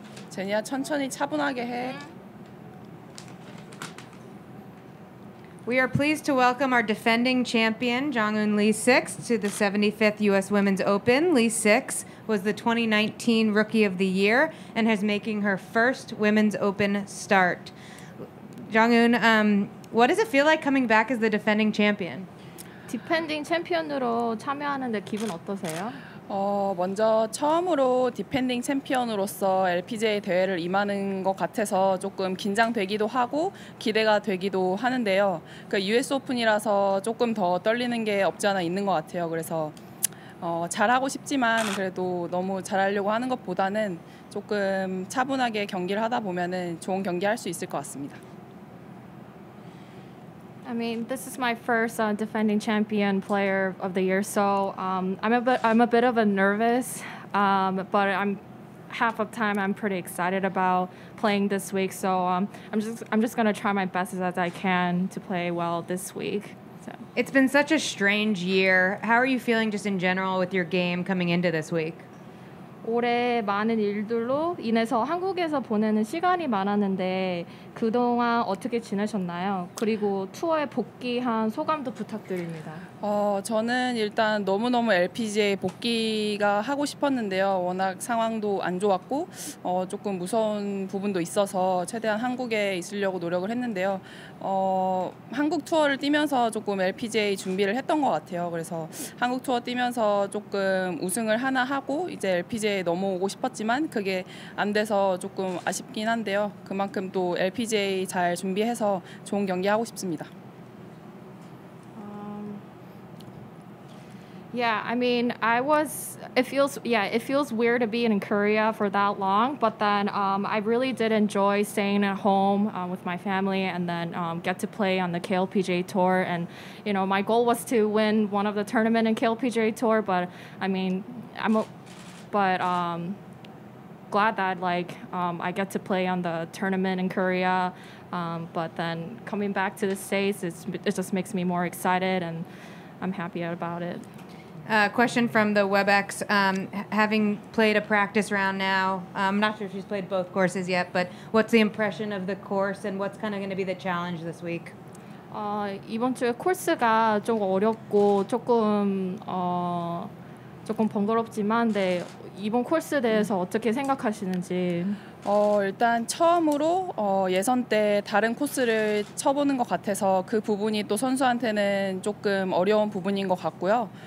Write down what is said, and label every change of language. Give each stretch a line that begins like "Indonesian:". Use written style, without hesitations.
Korean: 제니야 천천히 차분하게 해.
English: We are pleased to welcome our defending champion, Jongun Lee 6, to the 75th U.S. Women's Open. Lee 6 was the 2019 Rookie of the Year and has making her first Women's Open start. Jongun, what does it feel like coming back as the defending champion?
Korean: 디펜딩 챔피언으로 참여하는데 기분 어떠세요? 먼저 처음으로 디펜딩 챔피언으로서 LPGA 대회를 임하는 것 같아서 조금 긴장되기도 하고 기대가 되기도 하는데요. 그 US 오픈이라서 조금 더 떨리는 게 없지 않아 있는 것 같아요. 그래서 잘하고 싶지만 그래도 너무 잘하려고 하는 것보다는 조금 차분하게 경기를 하다 보면은 좋은 경기 할 수 있을 것 같습니다.
English: I mean, this is my first defending champion player of the year, so I'm a bit nervous, but I'm half of time. I'm pretty excited about playing this week, so I'm just gonna try my best as I can to play well this week. So. It's been such a strange year. How are you feeling, just in general, with your game coming into this week?
Korean: 올해 많은 일들로 인해서 한국에서 보내는 시간이 많았는데 그동안 어떻게 지내셨나요? 그리고 투어에 복귀한 소감도 부탁드립니다. 저는 일단 너무너무 LPGA 복귀가 하고 싶었는데요. 워낙 상황도 안 좋았고 조금 무서운 부분도 있어서 최대한 한국에 있으려고 노력을 했는데요. 한국 투어를 뛰면서 조금 LPGA 준비를 했던 것 같아요. 그래서 한국 투어 뛰면서 조금 우승을 하나 하고 이제 LPGA에 넘어오고 싶었지만 그게 안 돼서 조금 아쉽긴 한데요. 그만큼 또 LPGA 잘 준비해서 좋은 경기 하고 싶습니다.
English: Yeah, I mean, it feels weird to be in Korea for that long, but then I really did enjoy staying at home with my family and then get to play on the KLPGA Tour. And, you know, my goal was to win one of the tournament in KLPGA Tour, but I mean, I'm glad that, like, I get to play on the tournament in Korea. But then coming back to the States, it just makes me more excited and I'm happy about it. Question from the WebEx. Having played a practice round now, I'm not sure if she's played both courses yet, but what's the impression of the course and what's kind of going to be the challenge this week?
Korean: 이번 주에 코스가 좀 어렵고 조금 번거롭지만 네, 이번 코스에 대해서 어떻게 생각하시는지. 일단 처음으로 예선 때 다른 코스를 쳐보는 것 같아서 그 부분이 또 선수한테는 조금 어려운 부분인 것 같고요.